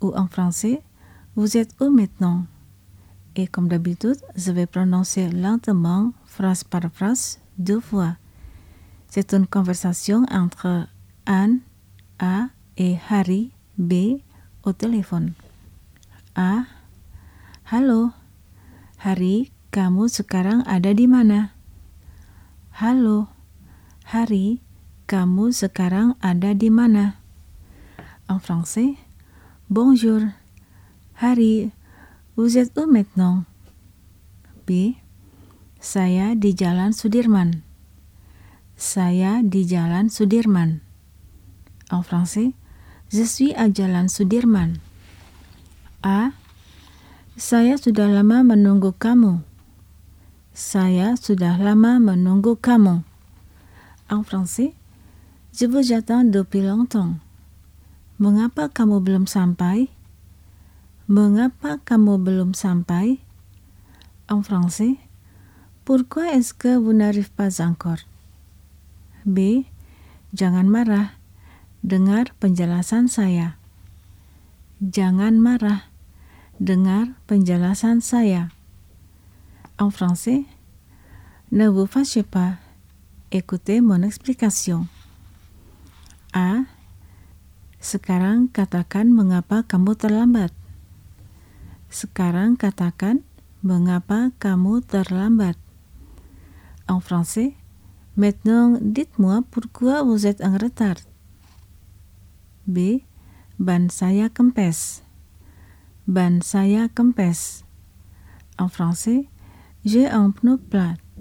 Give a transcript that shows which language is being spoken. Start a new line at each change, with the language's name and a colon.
French: ou en français « Vous êtes où maintenant ?» Et comme d'habitude, je vais prononcer lentement, phrase par phrase, deux fois. C'est une conversation entre Anne, A, et Harry, B, au téléphone.
Indonesian: A. Hallo. Harry, kamu sekarang ada di mana? Hallo. Harry, kamu sekarang ada di mana?
French: En français. Bonjour. Harry, vous êtes où maintenant? B.
Indonesian: Saya di Jalan Sudirman. Saya di Jalan Sudirman.
French: En français, je suis à Jalan Sudirman. A.
Indonesian: Saya sudah lama menunggu kamu. Saya sudah lama menunggu kamu.
French: En français, je vous attends depuis longtemps.
Indonesian: Mengapa kamu belum sampai? Mengapa kamu belum sampai?
French: En français, pourquoi est-ce que vous n'arrivez pas encore?
Indonesian: B. Jangan marah. Dengar penjelasan saya. Jangan marah. Dengar penjelasan saya.
French: En français, ne vous fâchez pas. Écoutez mon explication. A.
Indonesian: Sekarang katakan mengapa kamu terlambat. Sekarang katakan mengapa kamu terlambat.
French: En français, maintenant, dites-moi pourquoi vous êtes en retard. B.
Indonesian: Ban saya kempes. Ban saya kempes.
French: En français, j'ai un pneu plat.